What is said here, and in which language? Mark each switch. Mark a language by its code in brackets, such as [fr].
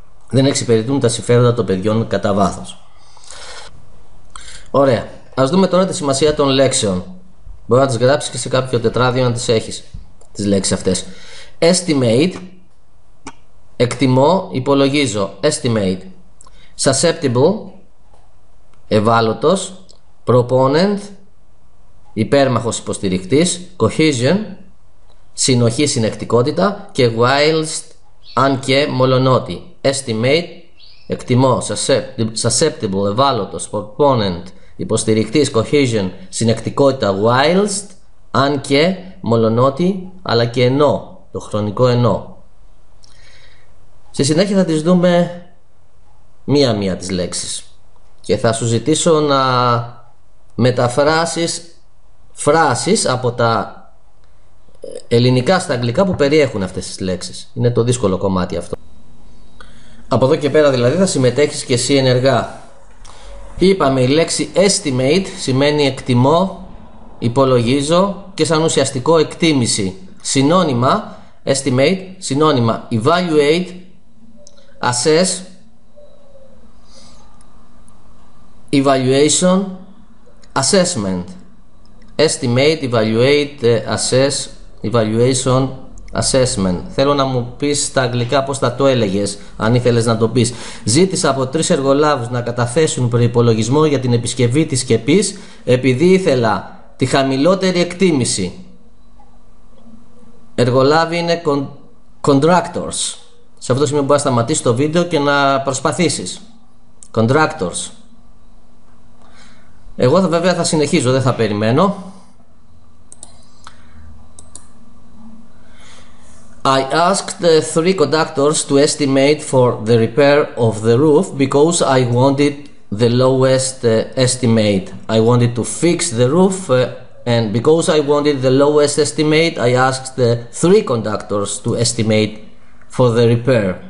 [el] Δεν εξυπηρετούν τα συμφέροντα των παιδιών κατά βάθος. Ωραία, ας δούμε τώρα τη σημασία των λέξεων. Μπορεί να τις γράψεις και σε κάποιο τετράδιο να τις έχεις, τις λέξεις αυτές. Estimate, εκτιμώ, υπολογίζω. [en] Estimate. [el] Susceptible, ευάλωτος. Proponent, υπέρμαχος, υποστηρικτής. Cohesion, συνοχή, συνεκτικότητα. Και whilst, αν και, μολονότι. Estimate, εκτιμώ. Susceptible, ευάλωτος. Proponent, υποστηρικτής. Cohesion, συνεκτικότητα. Whilst, αν και, μολονότι, αλλά και ενώ. Το χρονικό ενώ. Στη συνέχεια θα τις δούμε μία-μία τις λέξεις και θα σου ζητήσω να μεταφράσεις φράσεις από τα ελληνικά στα αγγλικά που περιέχουν αυτές τις λέξεις. Είναι το δύσκολο κομμάτι αυτό. Από εδώ και πέρα δηλαδή θα συμμετέχεις και εσύ ενεργά. Είπαμε, η λέξη estimate σημαίνει εκτιμώ, υπολογίζω, και σαν ουσιαστικό εκτίμηση. [en] Συνώνυμα estimate, συνώνυμα evaluate, assess, evaluation, assessment. Estimate, evaluate, assess, evaluation, assessment. [el] Θέλω να μου πεις τα αγγλικά πώς θα το έλεγες, αν ήθελες να το πεις. Ζήτησα από 3 εργολάβους να καταθέσουν προϋπολογισμό για την επισκευή της σκεπής, επειδή ήθελα τη χαμηλότερη εκτίμηση. Εργολάβοι είναι contractors. Σε αυτό το σημείο μπορείς να σταματήσεις το βίντεο και να προσπαθήσεις. Contractors. Εγώ βέβαια θα συνεχίζω, δεν θα περιμένω. [en] I asked the 3 contractors to estimate for the repair of the roof because I wanted the lowest estimate. I wanted to fix the roof. And because I wanted the lowest estimate, I asked the 3 conductors to estimate for the repair.